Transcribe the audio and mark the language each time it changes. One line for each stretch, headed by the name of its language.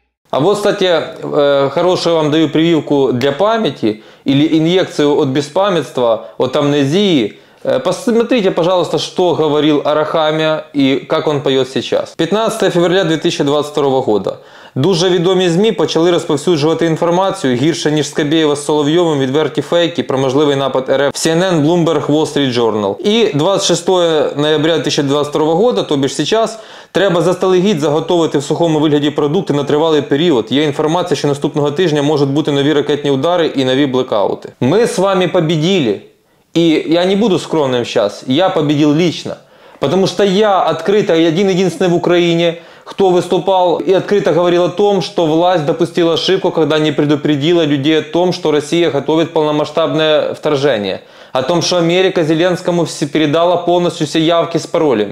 Russian: А вот, кстати, хорошую вам даю прививку для памяти или инъекцию от беспамятства, от амнезии. Посмотрите, пожалуйста, что говорил Арахамия и как он поет сейчас. 15 февраля 2022 года.
Ukrainian: Дуже відомі ЗМІ почали розповсюджувати інформацію, гірше, ніж Скабєєва з Соловйовим, відверті фейки про можливий напад РФ.
English: CNN, Bloomberg, Wall Street Journal.
Ukrainian: І 26 ноября 2022 року, тобі ж сейчас, треба заздалегідь заготовити в сухому вигляді продукти на тривалий період. Є інформація, що наступного тижня можуть бути нові ракетні удари і нові блекаути. Ми з вами побіділи. І я не буду скромним зараз, я побідів лично. Тому що я відкритий, один-єдинний в Україні,
Russian: кто выступал и открыто говорил о том, что власть допустила ошибку, когда не предупредила людей о том, что Россия готовит полномасштабное вторжение. О том, что Америка Зеленскому передала полностью все явки с паролем.